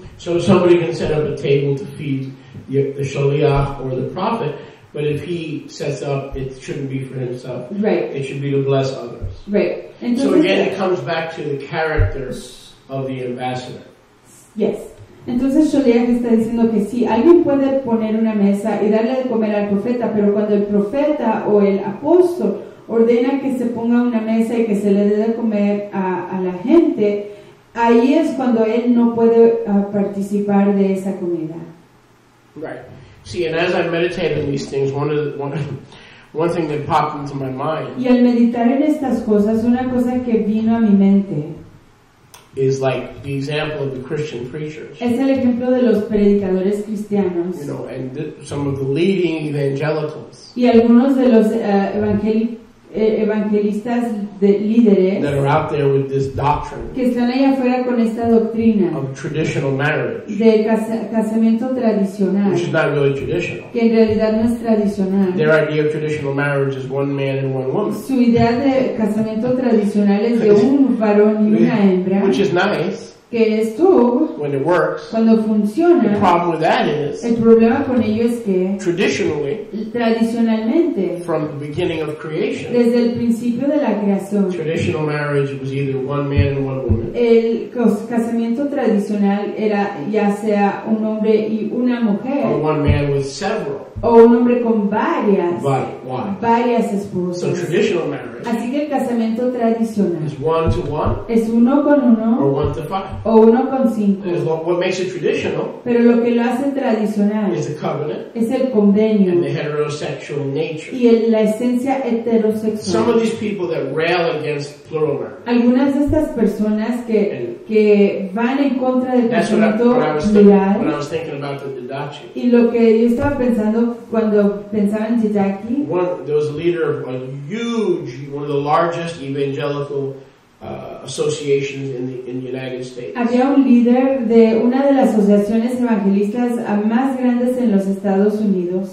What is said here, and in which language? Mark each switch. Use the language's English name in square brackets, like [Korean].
[English] So somebody can set up a table to feed the shaliach or the prophet, but if he sets up, it shouldn't be for himself. Right. It should be to bless others. Right. Entonces, so again, it comes back to the characters of the ambassador. Yes. [Spanish] Entonces, Sholeach está diciendo que sí, alguien puede poner una mesa y darle de comer al profeta, pero cuando el profeta o el apóstol ordena que se ponga una mesa y que se le dé de comer a la gente, ahí es cuando él no puede participar de esa comida. [English] Right. See, and as I meditate on these things, one thing that popped into my mind. [Spanish] Y al meditar en estas cosas, una cosa que vino a mi mente [English] is like the example of the Christian preachers. [Spanish] Es el ejemplo de los predicadores cristianos. [English] You know, and some of the leading evangelicals. [Spanish] Y algunos de los evangelistas de líderes [English] that are out there with this doctrine, [Spanish] que están allá afuera con esta doctrina [English] of traditional marriage, [Spanish] de casamiento tradicional, [English] which is not really traditional, [Spanish] que en realidad no es tradicional. [English] Their idea of traditional marriage is one man and one woman. [Spanish] Su idea de casamiento tradicional es de un varón y una hembra, [English] which is nice, [Spanish] que es tú, [English] when it works, [Spanish] cuando funciona. [English] The problem with that is, [Spanish] el problema con ello es que, [English] traditionally, [Spanish] tradicionalmente, [English] from the beginning of creation, [Spanish] desde el principio de la creación, [English] traditional marriage was either one man and one woman. [Spanish] El casamiento tradicional era ya sea un hombre y una mujer, [English] or one man with several, [Spanish] o un hombre con varias, varias esposas. [English] So traditional marriage, [Spanish] así que el casamiento tradicional, [English] is one to one, [Spanish] es uno con uno, [English] or one to five, [Spanish] o uno con cinco. [English] Is what makes it traditional, [Spanish] pero lo que lo hace tradicional, [English] is the covenant, [Spanish] es el convenio, [English] and the heterosexual nature, [Spanish] y la esencia heterosexual. [English] Some of these people that rail against plural marriage, [Spanish] algunas de estas personas que van en contra del casamiento plural, [English] what I was thinking about the Didache, [Spanish] y lo que yo estaba pensando cuando pensaba en Didache, [English] there was a leader of a huge, one of the largest evangelical associations in the United States. [Spanish] Había un líder de una de las asociaciones evangelistas más grandes en los Estados Unidos.